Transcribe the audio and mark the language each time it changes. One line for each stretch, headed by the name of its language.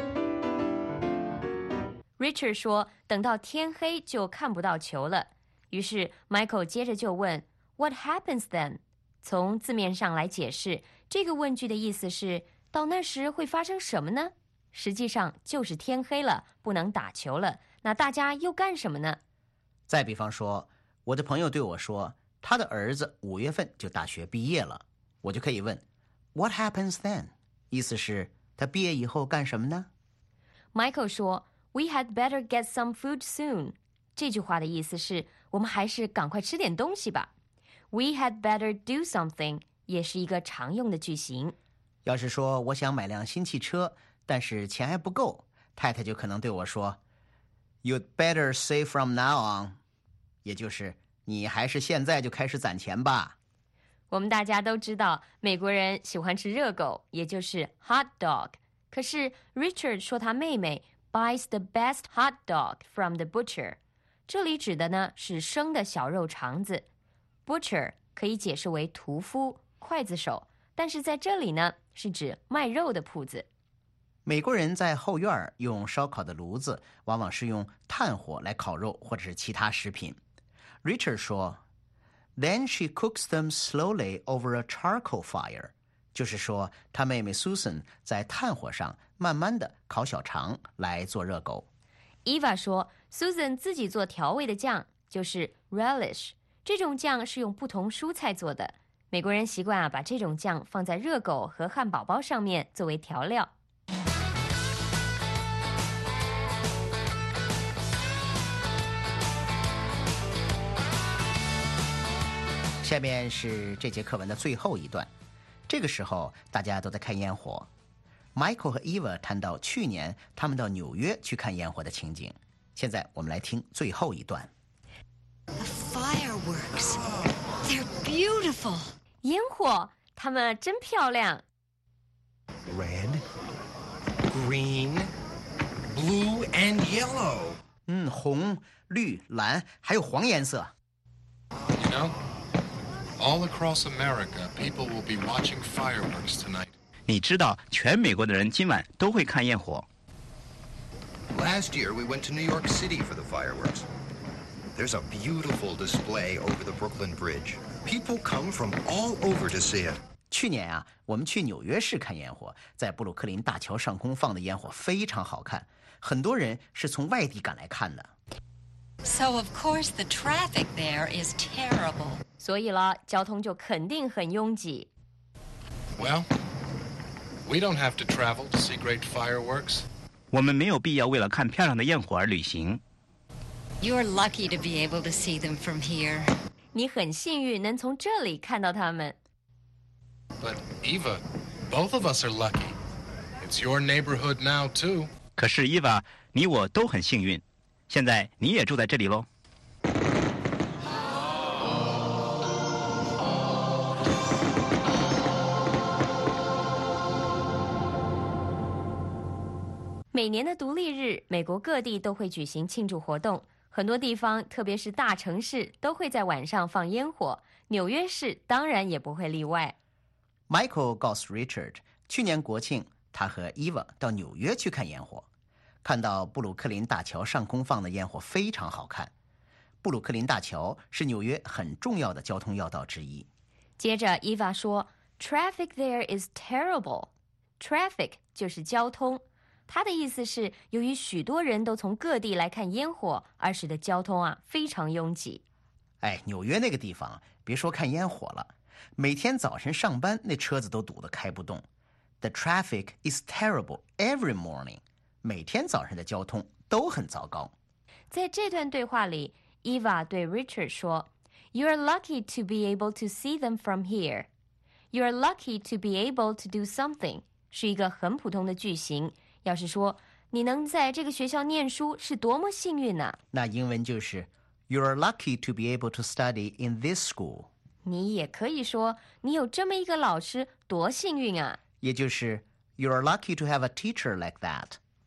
Chinese: 他每年都做。哦，放焰火喽。Richard 说，等到天黑就看不到球了。于是Michael接着就问
English: What happens then?
Chinese: 从字面上来解释，这个问句的意思是到那时会发生什么呢？实际上就是天黑了，不能打球了，那大家又干什么呢？再比方说，我的朋友对我说，他的儿子五月份就大学毕业了，我就可以问
English: What happens then?
Chinese: 意思是他毕业以后干什么呢？
English: Michael
Chinese: 说
English: We had better get some food soon.
Chinese: 这句话的意思是我们还是赶快吃点东西吧。
English: We had better do something
Chinese: 也是一个常用的句型。要是说我想买辆新汽车，但是钱还不够，太太就可能对我说
English: You'd better save from now on.
Chinese: 也就是你还是现在就开始攒钱吧。我们大家都知道美国人喜欢吃热狗，也就是 hot dog。可是 Richard 说他妹妹
English: buys the best hot dog from the butcher，
Chinese: 这里指的呢是生的小肉肠子。 butcher 可以解释为屠夫、刽子手，但是在这里呢是指卖肉的铺子。美国人在后院用烧烤的炉子往往是用炭火来烤肉或者是其他食品。
English: Richard
Chinese: 说
English: Then she cooks them slowly over a charcoal fire.
Chinese: 就是说她妹妹 Susan 在炭火上慢慢地烤小肠来做热狗。 Eva 说 Susan 自己做调味的酱，就是 relish。这种酱是用不同蔬菜做的，美国人习惯、把这种酱放在热狗和汉堡包上面作为调料。下面是这节课文的最后一段，这个时候大家都在看烟火。 Michael 和 Eva 谈到去年他们到纽约去看烟火的情景，现在我们来听最后一段。
English: The fireworks, they're beautiful.
Chinese: 烟火，它们真漂亮。
English: Red, green, blue and yellow.
Chinese: 红、绿、蓝，还有黄颜色。
English: You know,All across America, people will be watching fireworks tonight.
Chinese: 你知道，全美国的人今晚都会看焰火。
English: Last year, we went to New York City for the fireworks. There's a beautiful display over the Brooklyn Bridge. People come from all over to see it.
Chinese: 去年啊，我们去纽约市看焰火，在布鲁克林大桥上空放的烟火非常好看，很多人是从外地赶来看的。
English: So of course the traffic there is terrible.
Chinese: 所以了，交通就肯定很拥挤。
English: Well, we don't have to travel to see great fireworks.
Chinese: 我们没有必要为了看漂亮的焰火而旅行。
English: You're lucky to be able to see them from here.
Chinese: 你很幸运能从这里看到它们。
English: But Eva, both of us are lucky. It's your neighborhood now too.
Chinese: 可是伊娃，你我都很幸运。现在你也住在这里咯。每年的独立日，美国各地都会举行庆祝活动，很多地方特别是大城市都会在晚上放烟火，纽约市当然也不会例外。 Michael 告诉 Richard， 去年国庆他和 Eva 到纽约去看烟火，看到布鲁克林大桥上空放的烟火非常好看。布鲁克林大桥是纽约很重要的交通要道之一。接着伊娃说
English: Traffic there is terrible.
Chinese: Traffic 就是交通，它的意思是由于许多人都从各地来看烟火而使得交通非常拥挤。哎，纽约那个地方别说看烟火了，每天早晨上班那车子都堵得开不动。
English: The traffic is terrible every morning.
Chinese: 每天早上的交通都很糟糕。在这段对话里， Eva 对 Richard 说
English: You're lucky to be able to see them from here. You're lucky to be able to do something
Chinese: 是一个很普通的句型，要是说你能在这个学校念书是多么幸运呢、那英文就是
English: You're lucky to be able to study in this school.
Chinese: 你也可以说你有这么一个老师多幸运啊，也就是
English: You're lucky to have a teacher like that.